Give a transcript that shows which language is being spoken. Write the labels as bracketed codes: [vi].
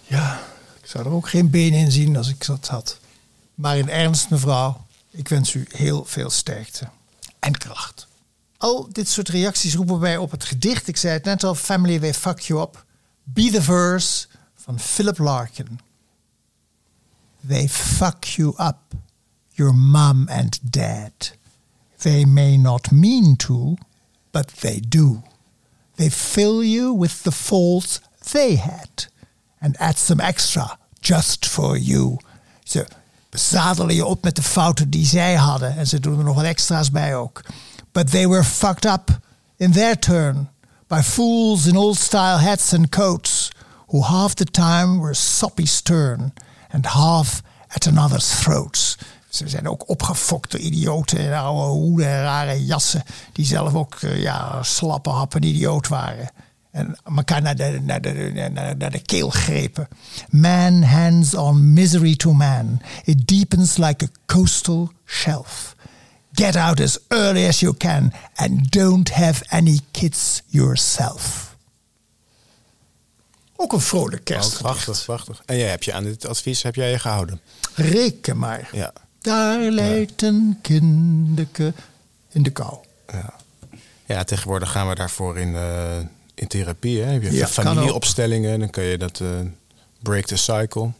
[nl] Ja, ik zou er ook geen been in zien als ik dat had. Maar in ernst, mevrouw, ik wens u heel veel sterkte en kracht. Al dit soort reacties roepen wij op het gedicht. Ik zei het net al, [en] Family, we fuck you up. [nl] Be the verse van Philip Larkin. [en] They fuck you up, your mom and dad. They may not mean to, but they do. They fill you with the faults they had. And add some extra, just for you. [nl] Ze zadelen je op met de fouten die zij hadden. En ze doen er nog wat extra's bij ook. [en] But they were fucked up in their turn by fools in old-style hats and coats who half the time were soppy stern and half at another's throats. [nl] Ze zijn ook opgefokt door idioten in oude hoeden en rare jassen die zelf ook slappe happen idioot waren. En elkaar naar de keel grepen. [en] Man hands on misery to man. It deepens like a coastal shelf. Get out as early as you can and don't have any kids yourself. [nl] Ook een vrolijk kerstgedicht. Prachtig, prachtig. En jij, heb je aan dit advies heb jij je gehouden? Reken maar. Ja. Daar leidt een kinderke in de kou. Ja. Ja, tegenwoordig gaan we daarvoor in therapie. Hè? Je hebt familieopstellingen, dan kun je dat [en] break the cycle.